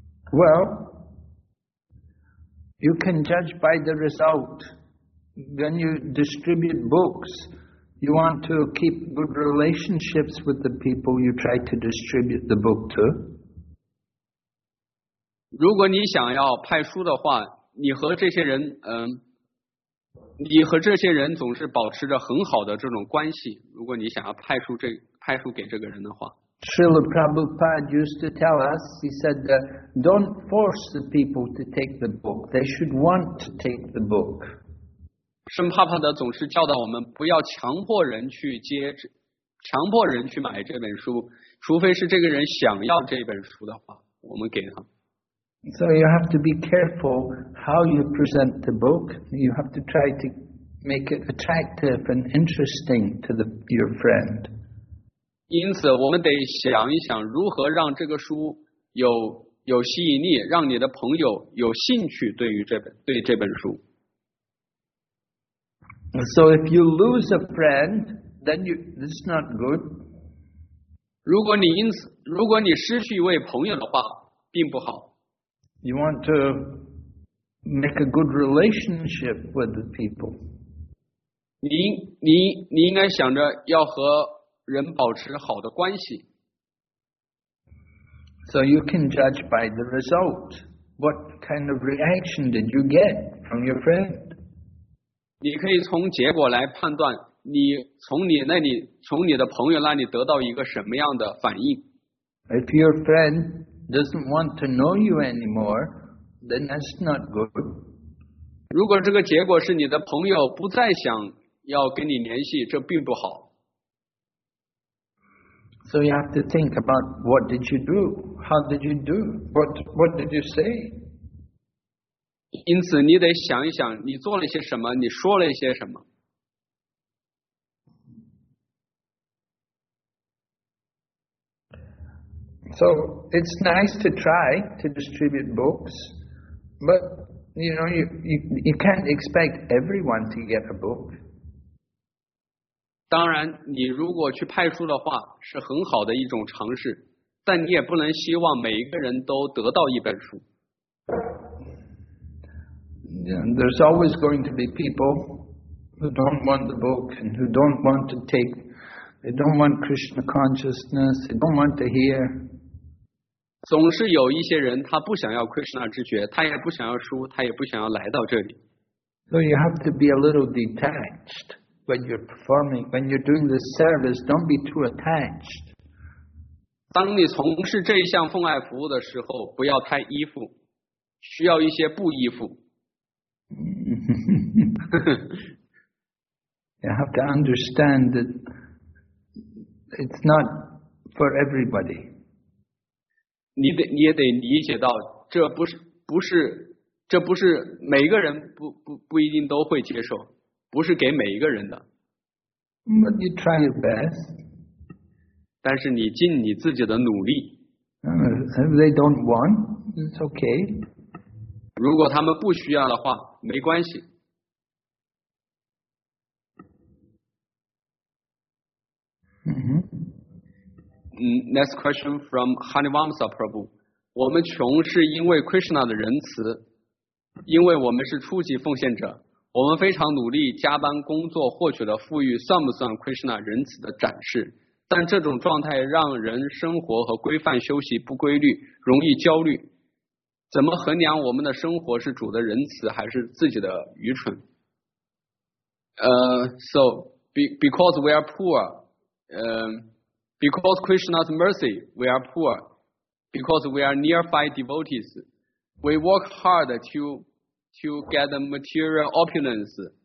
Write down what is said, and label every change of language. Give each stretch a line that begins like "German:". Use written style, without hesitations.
English: Well, you can judge by the result. When you distribute books, you want to keep good relationships with the people you try to distribute the book to.
Chinese: 如果你想要派书的话，你和这些人，你和这些人总是保持着很好的这种关系。如果你想要派书给这个人的话。
English: Srila Prabhupada used to tell us, he said, don't force the people to take the book. They should want to take the book.
Chinese: Shrimpapada 总是教导我们不要强迫人去买这本书，除非是这个人想要这本书的话，我们给他。
English: So you have to be careful how you present the book. You have to try to make it attractive and interesting to your friend.
Chinese: 因此我们得想一想如何让这个书 有吸引力，让你的朋友有兴趣对这本书。
English: So if you lose a friend, then it's not good.
Chinese: 如果你失去一位朋友的话并不好。
English: You want to make a good relationship with the people.
Chinese: 你应该想着要和人保持好的关系。
English: So you can judge by the result. What kind of reaction did you get from your friend?
Chinese: 你可以从结果来判断，从你的朋友那里得到一个什么样的反应。
English: If your friend doesn't want to know you anymore, then that's not good.
Chinese: 如果这个结果是你的朋友不再想要跟你联系，这并不好。
English: So you have to think about what did you do? How did you do? What did you say?
Chinese: 因此你得想一想你做了些什么，你说了一些什么。
English: So it's nice to try to distribute books, but you know you can't expect everyone to get a book.
Chinese: 当然，你如果去派书的话，是很好的一种尝试，但你也不能希望每一个人都得到一本书。
English: And there's always going to be people who don't want the book and who don't want to take, they don't want Krishna consciousness, they don't want to hear.
Chinese: 总是有一些人他不想要 Krishna 之觉，他也不想要书，他也不想要来到这里。
English: So you have to be a little detached when you're performing, when you're doing this service, don't be too attached.
Chinese: 当你从事这一项奉爱服务的时候，不要太依附，需要一些不依附。
English: You have to understand that it's not for everybody.
Chinese: 你也得理解到这不是每一个人不一定都会接受，不是给每一个人的。
English: But you try your best.
Chinese: 但是你尽你自己的努力。
English: If they don't want, it's okay.
Chinese: 如果他们不需要的话，没关系。
English: Next question from Hanivamsa Prabhu.
Chinese: 我们穷是因为 Krishna 的仁慈，因为我们是初级奉献者，我们非常努力加班工作获取的富裕，算不算 Krishna 仁慈的展示？但这种状态让人生活和规范休息不规律，容易焦虑。怎么衡量我们的生活是主的仁慈还是自己的愚蠢？
English: Because we are poor, Because Krishna's mercy, we are poor. Because we are near five devotees, we work hard to get the material opulence.